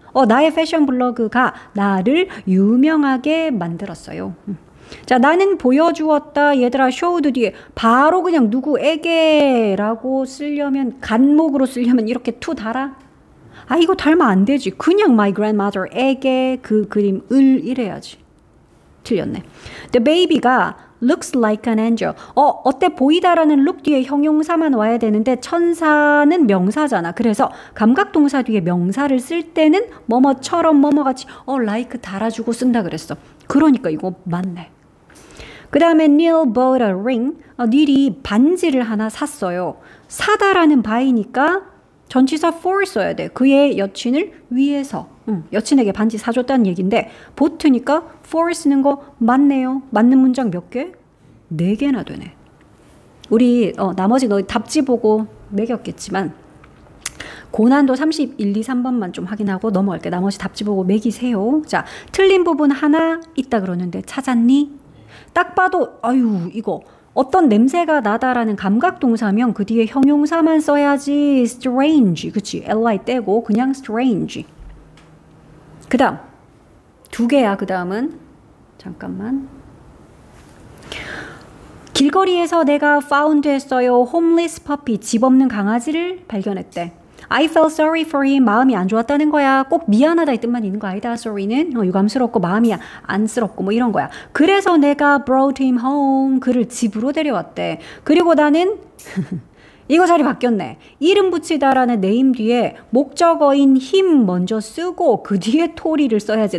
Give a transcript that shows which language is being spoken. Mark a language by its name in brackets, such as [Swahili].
[Korean] 나의 패션 블로그가 나를 유명하게 만들었어요. 자, 나는 보여주었다. 얘들아, showed 뒤에 바로 그냥 누구에게라고 쓰려면, 간목으로 쓰려면 이렇게 to 달아? 아, 이거 달면 안 되지. 그냥 my grandmother에게 그 그림을 이래야지. 틀렸네. [English] The baby [Korean] 가 [English] looks like an angel. [Korean] 어때 보이다라는 look 뒤에 형용사만 와야 되는데 천사는 명사잖아. 그래서 감각동사 뒤에 명사를 쓸 때는 뭐뭐처럼 뭐뭐같이 like 달아주고 쓴다 그랬어. 그러니까 이거 맞네. 그 다음에 [English] Neil bought a ring. [Korean] Neil이 반지를 하나 샀어요. 사다라는 by니까 전치사 for 써야 돼. 그의 여친을 위해서. 여친에게 반지 사줬다는 얘긴데 보트니까 for 쓰는 거 맞네요. 맞는 문장 몇 개? 네 개나 되네. 우리 나머지 너 답지 보고 매겼겠지만 고난도 31, 2, 3번만 좀 확인하고 넘어갈게. 나머지 답지 보고 매기세요. 자, 틀린 부분 하나 있다 그러는데 찾았니? 딱 봐도 아유 이거 어떤 냄새가 나다라는 감각동사면 그 뒤에 형용사만 써야지. strange, 그치? li 떼고 그냥 strange. 그 다음, 두 개야. 그 다음은 잠깐만, 길거리에서 내가 found 했어요. [English] homeless puppy, [Korean] 집 없는 강아지를 발견했대. [English] I felt sorry for him, [Korean] 마음이 안 좋았다는 거야. 꼭 미안하다 이 뜻만 있는 거 아니다. sorry는 유감스럽고 마음이 안쓰럽고 뭐 이런 거야. 그래서 내가 [English] brought him home, [Korean] 그를 집으로 데려왔대. 그리고 나는 이거 자리 바뀌었네. 이름 붙이다라는 네임 뒤에 목적어인 힘 먼저 쓰고 그 뒤에 토리를 써야지.